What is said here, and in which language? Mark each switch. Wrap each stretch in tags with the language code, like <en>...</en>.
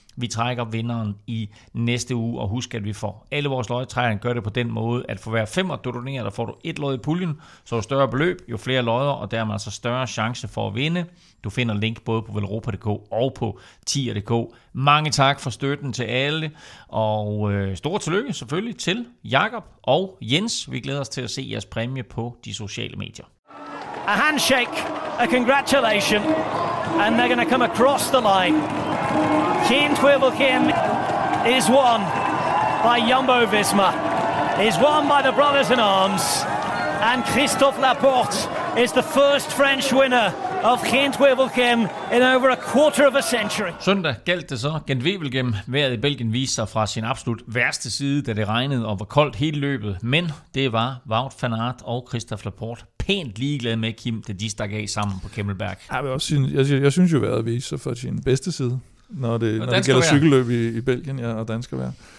<da>Vi trækker vinderen i næste uge, og husk, at vi får alle vores lodtrækninger gør det på den måde, at for hver femmer, du donerer, der får du et lod i puljen, så jo større beløb, jo flere lodder, og dermed altså større chance for at vinde. Du finder link både på veluropa.dk og på tier.dk. Mange tak for støtten til alle, og stort tillykke selvfølgelig til Jakob og Jens. Vi glæder os til at se jeres præmie på de sociale medier.</da> <en>A handshake, a congratulation, and they're going to come across the line. Keane Quibblekin is won by Jumbo Visma, is won by the brothers in arms, and Christophe Laporte is the first French winner of Gent Wevelgem in over a quarter of a century.</en> <da>Søndag galt det så. Gent Wevelgem, vejret i Belgien, viste sig fra sin absolut værste side, da det regnede og var koldt hele løbet. Men det var Wout van Aert og Christophe Laporte pænt ligeglade med, Kim, da de stak af sammen på Kemmelberg. Jeg synes jo, at vejret viste sig fra sin bedste side, når det gælder cykelløb i Belgien, ja, og dansk vejr.</da>